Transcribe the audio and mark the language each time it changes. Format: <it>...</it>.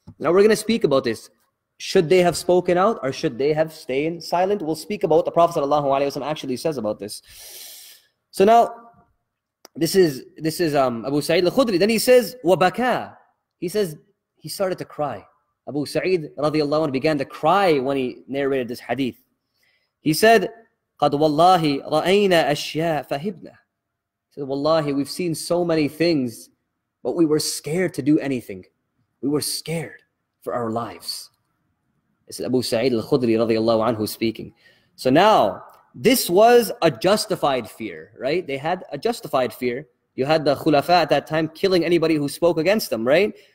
<en>Now we're going to speak about this. Should they have spoken out or should they have stayed silent? We'll speak about what the Prophet ﷺ actually says about this. So now, this is Abu Sa'id al-Khudri. Then he says, وَبَكَى. He says, he started to cry. Abu Sa'id radiallahu anhu began to cry when he narrated this hadith.</en> <ar>He said, قَدْ وَاللَّهِ رَأَيْنَا أَشْيَاءَ فَهِبْنَا.</ar> <en>He said, wallahi, we've seen so many things, but we were scared to do anything. We were scared for our lives. This is Abu Sa'id al-Khudri radiallahu anhu speaking. So now, this was a justified fear, right? They had a justified fear. You had the khulafa at that time killing anybody who spoke against them, right?</en>